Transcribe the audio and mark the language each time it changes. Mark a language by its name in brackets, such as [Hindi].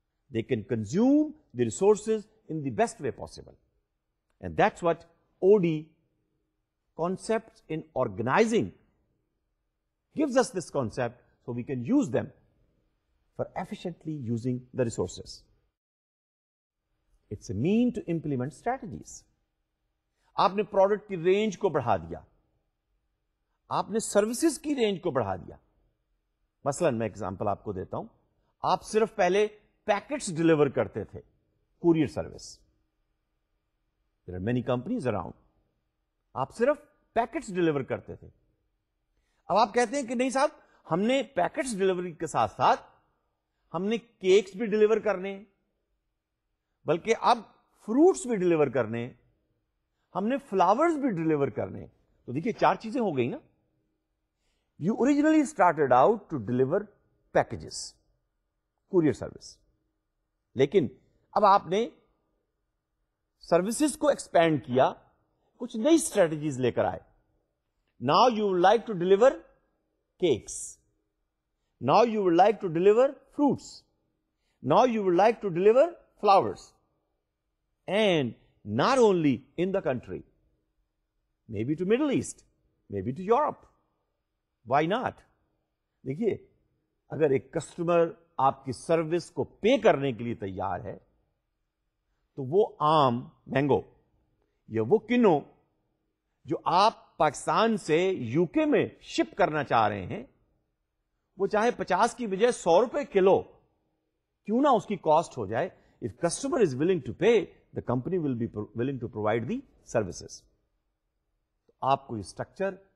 [English] They can consume the resources in the best way possible. And that's what OD, concepts in organizing, gives us this concept so we can use them for efficiently using the resources. It's a mean to implement strategies. [Urdu] آپ نے product کی range کو بڑھا دیا, آپ نے services کی range کو بڑھا دیا. مثلا میں ایگزامپل آپ کو دیتا ہوں, آپ صرف پہلے پیکٹس ڈلیور کرتے تھے, courier service. [English] there are many companies around, [Urdu] آپ صرف پیکٹس ڈلیور کرتے تھے. اب آپ کہتے ہیں کہ نہیں صاحب, ہم نے پیکٹس ڈلیوری کے ساتھ ساتھ ہم نے کیکس بھی ڈلیور کرنے ہیں, بلکہ اب فروٹس بھی ڈلیور کرنے ہیں, ہم نے فلاورز بھی ڈلیور کرنے. تو دیکھیے چار چیزیں ہو گئی نا. [English] you originally started out to deliver packages, [Urdu] courier service, لیکن اب آپ نے سروسز کو ایکسپینڈ کیا, کچھ نئی اسٹریٹجیز لے کر آئے. [English] Now you would like to deliver cakes, now you would like to deliver fruits, now you would like to deliver flowers. And not only in the country, maybe to Middle East, maybe to Europe. Why not? [Urdu] دیکھیے اگر ایک customer آپ کی service کو پے کرنے کے لیے تیار ہے, تو وہ آم مینگو یا وہ کنو جو آپ پاکستان سے یو کے میں شپ کرنا چاہ رہے ہیں, وہ چاہے 50 کی بجائے 100 روپے کلو کیوں نہ اس کی کاسٹ ہو جائے, [English] if customer is willing to pay, the company will be willing to provide the services. [Urdu] آپ کو یہ اسٹرکچر